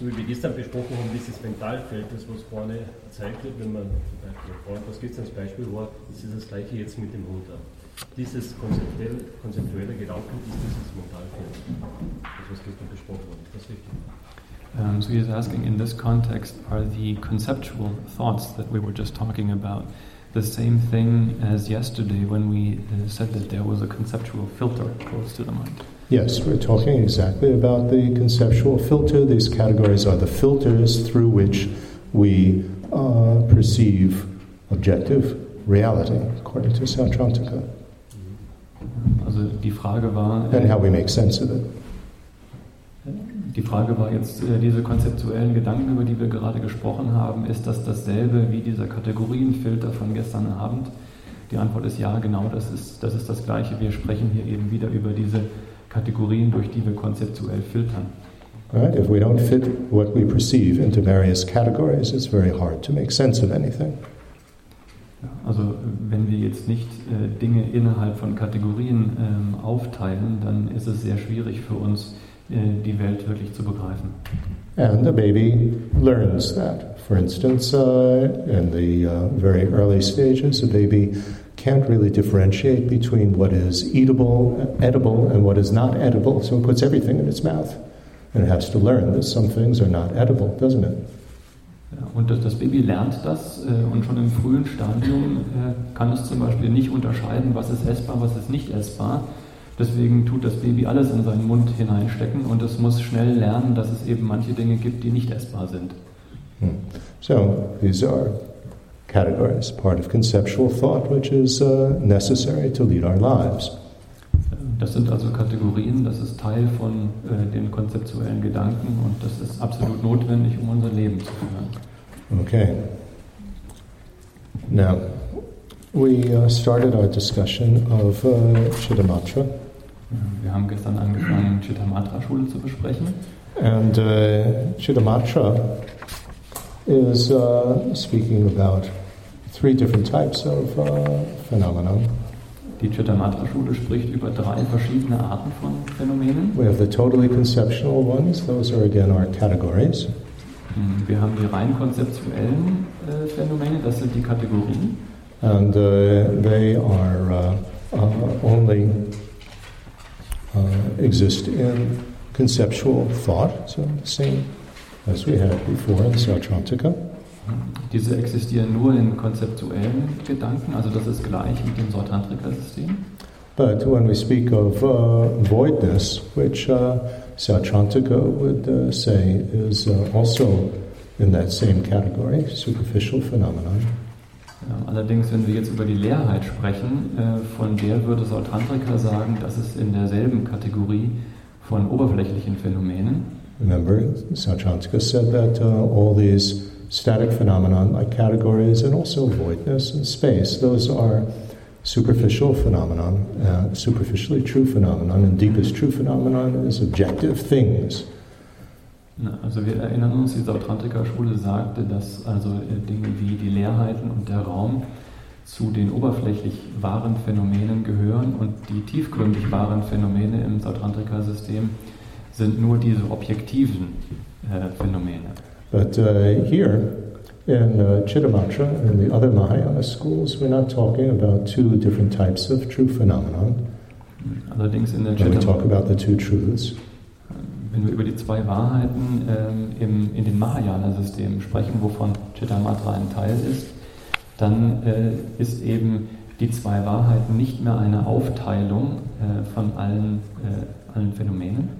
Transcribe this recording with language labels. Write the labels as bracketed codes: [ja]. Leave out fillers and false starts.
[de] So wie wir gestern besprochen haben, dieses Mentalfeld, das was vorne gezeigt wird, wenn man zum Beispiel vorne, was gibt es als Beispiel, war, ist es das gleiche jetzt mit dem Runter. Dieses konzeptuelle Gedanken ist dieses Mentalfeld, das was gestern besprochen wurde. Das ist richtig. [en] So he's asking, in this context, are the conceptual thoughts that we were just talking about the same thing as yesterday when we said that there was a conceptual filter close to the mind? Yes, we're talking exactly about the conceptual filter. These categories are the filters through which we perceive objective reality, according to Sautrantika. [de] Also die Frage war, [en] and how we make sense of it. [de] Die Frage war jetzt, diese konzeptuellen Gedanken, über die wir gerade gesprochen haben, ist das dasselbe wie dieser Kategorienfilter von gestern Abend? Die Antwort ist ja, genau, das ist das Gleiche. Wir sprechen hier eben wieder über diese Kategorien, durch die wir konzeptuell filtern. [en] Right, if we don't fit what we perceive into various categories, it's very hard to make sense of anything. [de] Also wenn wir jetzt nicht Dinge innerhalb von Kategorien aufteilen, dann ist es sehr schwierig für uns, die Welt wirklich zu begreifen. [en] And the baby learns that. For instance, in the very early stages, a baby can't really differentiate between what is edible and what is not edible, so it puts everything in its mouth. And it has to learn that some things are not edible, doesn't it? [de] Und das Baby lernt das, und schon im frühen Stadium kann es zum Beispiel nicht unterscheiden, was ist essbar, was ist nicht essbar. Deswegen tut das Baby alles in seinen Mund hineinstecken und es muss schnell lernen, dass es eben manche Dinge gibt, die nicht essbar sind. [en] So, these are categories, part of conceptual thought, which is necessary to lead our lives. [de] Das sind also Kategorien, das ist Teil von den konzeptuellen Gedanken und das ist absolut notwendig, um unser Leben zu führen. [en] Okay. Now, we started our discussion of Chittamatra. [de] Wir haben gestern angefangen, Chittamatra-Schule zu besprechen. [en] And Chittamatra is speaking about three different types of phenomena. [de] Die Chittamatra-Schule spricht über drei verschiedene Arten von Phänomenen. [en] We have the totally conceptual ones. Those are again our categories. [de] Wir haben die rein konzeptuellen Phänomene. Das sind die Kategorien. [en] And they are only exist in conceptual thought, so the same as we had before in Sautrantika. [de] Diese existieren nur in konzeptuellen Gedanken, also das ist gleich mit dem Sautrantika-System. [en] But when we speak of voidness, which Sautrantika would say is also in that same category, superficial phenomenon. [de] Allerdings, wenn wir jetzt über die Leerheit sprechen, von der würde Sautrantika sagen, dass es in derselben Kategorie von oberflächlichen Phänomenen. [en] Remember, Sautrantika said that all these static phenomena, like categories and also voidness and space, those are superficial phenomena, superficially true phenomena, and deepest true phenomena is objective things. [de] Also wir erinnern uns, die Sautrantika-Schule sagte, dass also Dinge wie die Leerheiten und der Raum zu den oberflächlich wahren Phänomenen gehören und die tiefgründig wahren Phänomene im Sautrantika-System sind nur diese objektiven Phänomene. [en] But here in Chittamatra and the other Mahayana schools, we're not talking about two different types of true phenomena. [de] Allerdings in der Chittamatra. [en] We talk about the two truths. [de] Wenn wir über die zwei Wahrheiten in den Mahayana-Systemen sprechen, wovon Chittamatra ein Teil ist, dann ist eben die zwei Wahrheiten nicht mehr eine Aufteilung von allen Phänomenen.